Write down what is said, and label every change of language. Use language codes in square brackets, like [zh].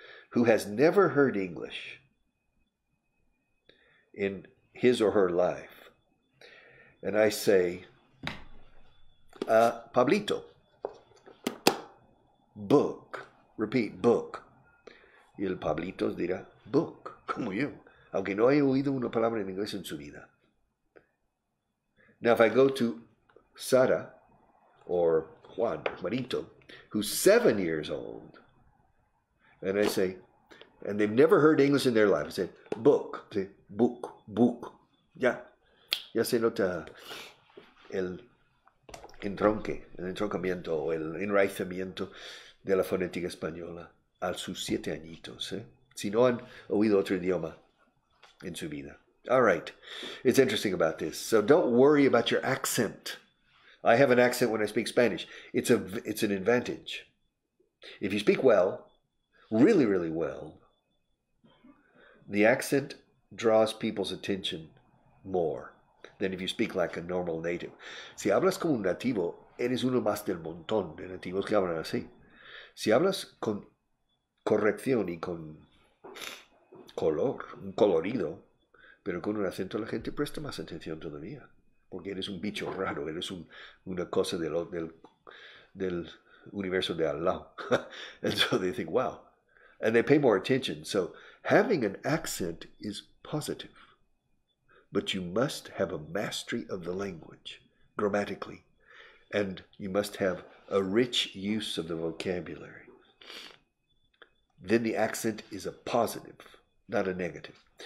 [en] who has never heard English in his or her life, and I say, Pablito, book, repeat, book. [es] Y el Pablito dirá, book, como yo, aunque no haya oído una palabra en inglés en su vida. [en] Now, if I go to Sara or Juan, Juanito, who's 7 years old, and I say, and they've never heard English in their life, I say, book, say, book, book, [es] ya, ya se nota el entronque, el entroncamiento, el enraizamiento de la fonética española a sus 7 añitos, eh? Si no han oído otro idioma en su vida. [en] All right, it's interesting about this. So don't worry about your accent. I have an accent when I speak Spanish. It's an advantage. If you speak well, really, really well, the accent draws people's attention more than if you speak like a normal native. [es] Si hablas como un nativo, eres uno más del montón de nativos que hablan así. Si hablas con corrección y con color, un colorido, pero con un acento la gente presta más atención todavía, porque eres un bicho raro, eres una cosa del universo de al lado. [en] And so they think, wow. And they pay more attention. So having an accent is positive, but you must have a mastery of the language grammatically, and you must have a rich use of the vocabulary. Then the accent is a positive, not a negative.